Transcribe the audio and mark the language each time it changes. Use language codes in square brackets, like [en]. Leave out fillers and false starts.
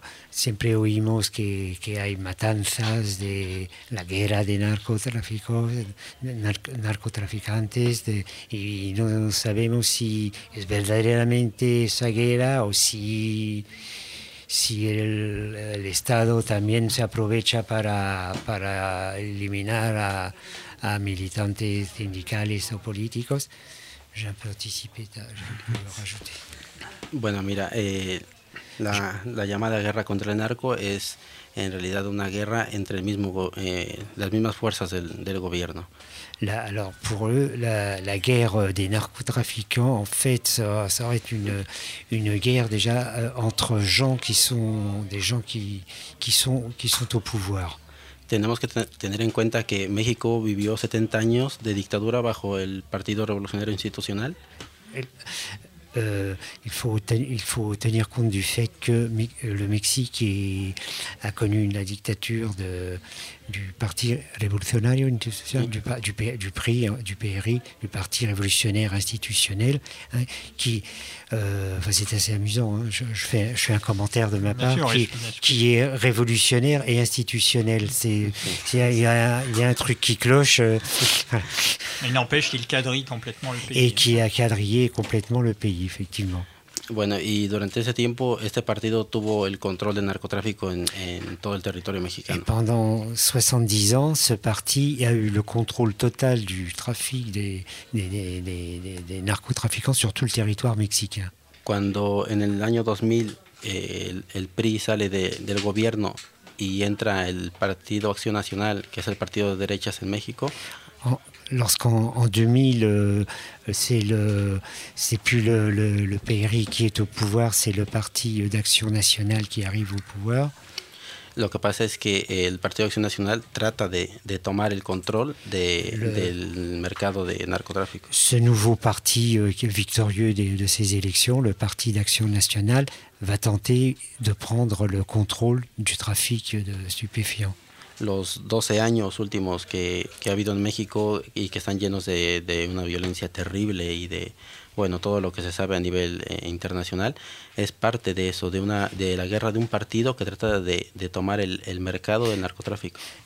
[es] siempre oímos que hay matanzas de la guerra de narcotraficantes y no sabemos si es verdaderamente esa guerra o si el Estado también se aprovecha para eliminar a militantes sindicales o políticos. Ya participé, lo ajusté. Bueno, mira, la llamada guerra contra el narco es en realidad una guerra entre el mismo las mismas fuerzas del gobierno. [fr] Alors pour eux, la guerre des narcotrafiquants, en fait, ça aurait une guerre déjà entre gens qui sont des gens qui sont au pouvoir. [es] Tenemos que tener en cuenta que México vivió 70 años de dictadura bajo el Partido Revolucionario Institucional. [fr] Il faut tenir compte du fait que le Mexique a connu la dictature du Parti Révolutionnaire Institutionnel, du Parti Révolutionnaire Institutionnel, hein, qui, c'est assez amusant, hein, je fais un commentaire de ma part, qui est révolutionnaire et institutionnel. Il y a un truc qui cloche. Il n'empêche qu'il quadrille complètement le pays. Et qui a quadrillé complètement le pays, effectivement. [es] Bueno, y durante ese tiempo, este partido tuvo el control del narcotráfico en todo el territorio mexicano. [fr] Y pendant 70 ans, ce parti a eu le contrôle total du trafic des narcotrafiquants sur tout le territoire mexicain. [es] Cuando en el año 2000 el PRI sale del gobierno y entra el Partido Acción Nacional, que es el partido de derechas en México. [fr] Lorsqu'en 2000, c'est plus le PRI qui est au pouvoir, c'est le Parti d'Action Nationale qui arrive au pouvoir. [es] Lo que pasa es que el Partido de Acción Nacional trata de tomar el control del mercado de narcotráfico. [fr] Ce nouveau parti victorieux de ces élections, le Parti d'Action Nationale, va tenter de prendre le contrôle du trafic de stupéfiants. [es] Los 12 años últimos que ha habido en México y que están llenos de una violencia terrible y de, bueno, todo lo que se sabe a nivel internacional, es parte de eso, de la guerra de un partido que trata de tomar el mercado del narcotráfico.